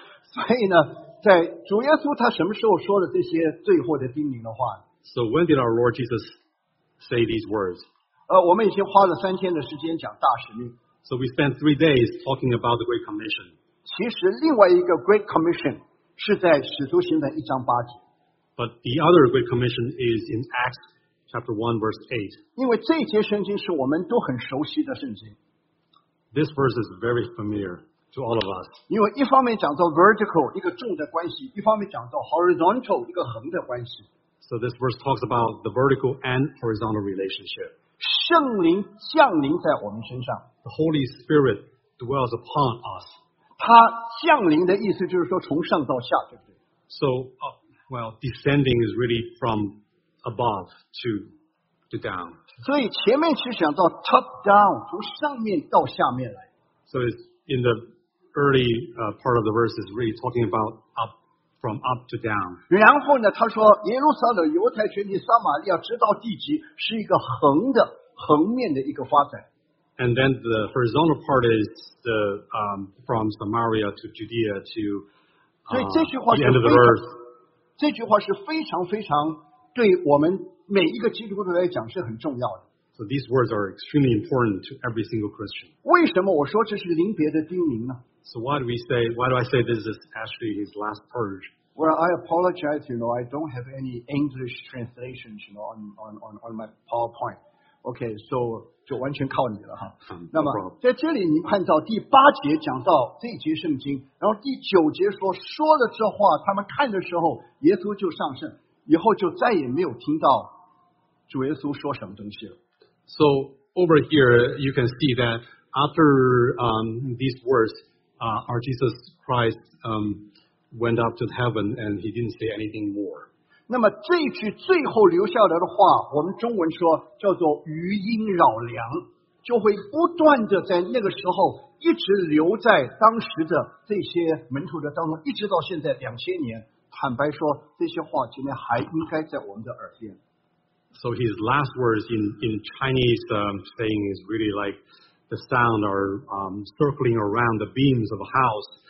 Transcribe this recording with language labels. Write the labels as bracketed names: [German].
[Chinese] 所以呢，在主耶稣他什么时候说的这些最后的叮咛的话？ [English] So when did our Lord Jesus say these words? [Chinese] 我们已经花了三天的时间讲大使命。 [English] So we spent 3 days talking about the Great Commission. [Chinese] 其实另外一个 Great Commission 是在使徒行传一章八节。 [English] But the other Great Commission is in Acts chapter 1 verse 8. [Chinese] 因为这些圣经是我们都很熟悉的圣经。 [English] This verse is very familiar to all of us. [Chinese] 因为一方面讲到 vertical, 一个纵的关系，一方面讲到 horizontal, 一个横的关系。 [English] So this verse talks about the vertical and horizontal relationship. [Chinese] 圣灵降临在我们身上。 [English] The Holy Spirit dwells upon us. [Chinese] 他降临的意思就是说从上到下，对不对？ [English] So,well, descending is really from above to down. [Chinese] 所以前面其实讲到 top down, 从上面到下面来。 [English] So it's in the early part of the verse is really talking about up from up to down. [Chinese] 然后呢，他说耶路撒冷、犹太全地、撒玛利亚直到地极是一个横的横面的一个发展。 [English] And then the horizontal part is the from Samaria to Judea to the end of the verse. [Chinese] 这句话是非常非常对我们每一个基督徒来讲是很重要的。 [English] So these words are extremely important to every single Christian. [Chinese] 为什么我说这是临别的叮咛呢？ [English] So why do I say this is actually his last purge? Well, I apologize, you know, I don't have any English translations, you know, on my PowerPoint. Okay, so [Chinese] 就完全靠你了哈。那么在这里你看到第八节讲到这一节圣经，然后第九节说了这话，他们看的时候耶稣就上圣，以后就再也没有听到主耶稣说什么东西了。 [English] So over here you can see that after these words, our Jesus Christ went up to heaven and he didn't say anything more. [Chinese] 那么这一句最后留下来的话，我们中文说叫做余音绕梁，就会不断的在那个时候一直留在当时的这些门徒的当中，一直到现在2000年。坦白说，这些话今天还应该在我们的耳边。 [English] So his last words in Chinese saying is really like the sound are circling around the beams of a house.